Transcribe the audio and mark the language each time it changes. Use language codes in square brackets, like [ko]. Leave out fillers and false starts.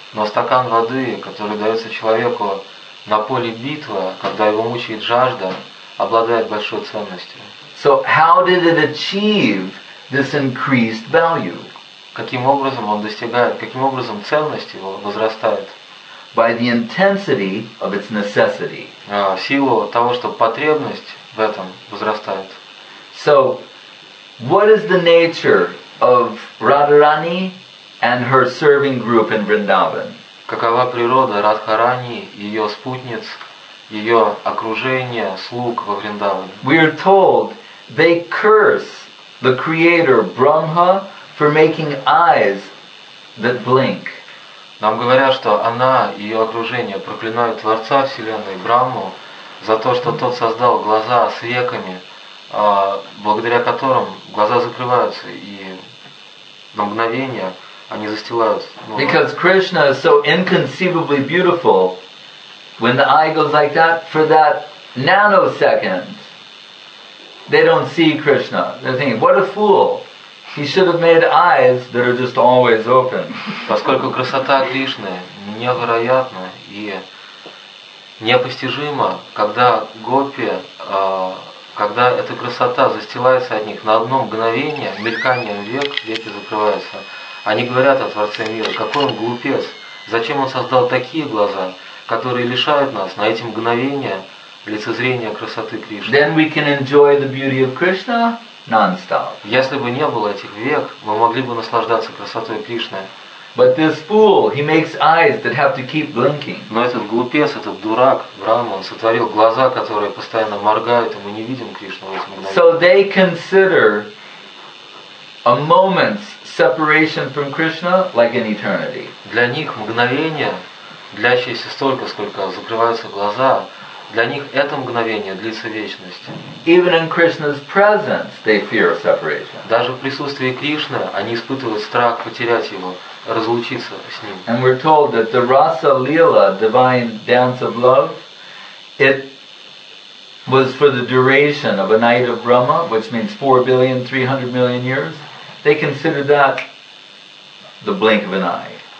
[ru] Но стакан воды, который дается человеку на поле битвы, когда его мучает жажда, обладает большой ценностью. [en] So how did it achieve this increased value? [ru] Каким образом он достигает, каким образом ценность его возрастает? [en] By the intensity of its necessity. [ru] В силу того, что потребность в этом возрастает. [en] So what is the nature of Radharani and her serving group in Vrindavan? [ru] Какова природа Радхарани, ее спутниц, ее окружение, слуг во Вриндаване? [en] We are told they curse the creator Brahma for making eyes that blink. [ru] Нам говорят, что она и ее окружение проклинают Творца Вселенной Брахму за то, что тот создал глаза с веками, благодаря которым глаза закрываются и на мгновение они застилаются. [en] Ну, because Krishna is so inconceivably beautiful, when the eye goes like that for that nanosecond, they don't see Krishna. They're thinking, what a fool! He should have made eyes that are just always open. [ru] Поскольку красота Кришны невероятна и непостижима, когда гопи когда эта красота застилается от них на одно мгновение, мельканием век, веки закрываются, они говорят о Творце мира, какой он глупец, зачем он создал такие глаза, которые лишают нас на эти мгновения лицезрения красоты Кришны. [en] Then we can enjoy the beauty of Krishna non-stop. [ru] Если бы не было этих век, мы могли бы наслаждаться красотой Кришны. [en] But this fool, he makes eyes that have to keep blinking. [ru] Но этот глупец, этот дурак, Брахма, он сотворил глаза, которые постоянно моргают, и мы не видим Кришну в этом мгновении. [en] So they consider a moment's separation from Krishna like an eternity. [ru] Для них мгновение, длящееся столько, сколько закрываются глаза, для них это мгновение длится вечность. [en] Even in Krishna's presence, they fear separation. [ru] Даже в присутствии Кришны они испытывают страх потерять его, разлучиться с ним. [en] And we're told that the Rasa Lila, divine dance of love, it was for the duration of a night of Brahma, which means 4,300,000,000 years. They consider that the blink of an eye.